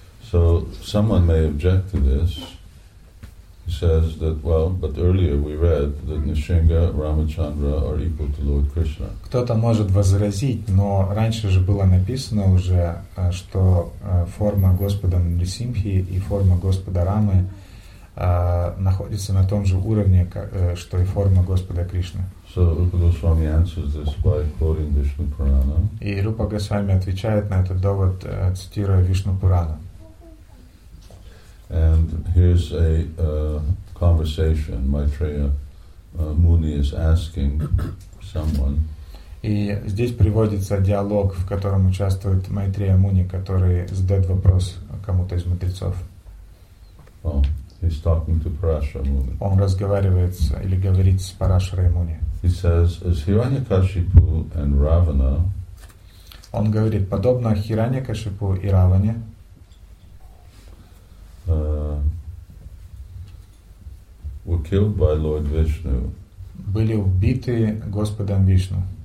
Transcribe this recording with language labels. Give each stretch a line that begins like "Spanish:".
English: So someone may object to this. He says that, well, but earlier we read that Nrisinga, Ramachandra are equal to Lord Krishna.
Russian: Кто-то может возразить, но раньше же было написано уже, что форма Господа Нрисимхи и форма Господа Рамы находится на том же уровне, что и форма Господа Кришны.
English: So Rupa Goswami answers this by quoting Vishnu Purana.
Russian: И Рупа Госвами отвечает на этот довод, цитируя Вишну Пурану.
English: And here's a conversation. Maitreya Muni is asking someone.
Russian: И здесь приводится диалог, в котором участвует Maitreya Muni, который задает вопрос кому-то из мудрецов. Oh.
English: He's talking to Parashara Muni.
Russian: Он разговаривает или говорит с Парашарой Муни.
English: He says, as Hiranyakashipu and Ravana.
Russian: Он говорит, подобно Хираньякашипу и Раване.
English: Were killed by Lord Vishnu.
Russian: Были убиты Господом Вишну.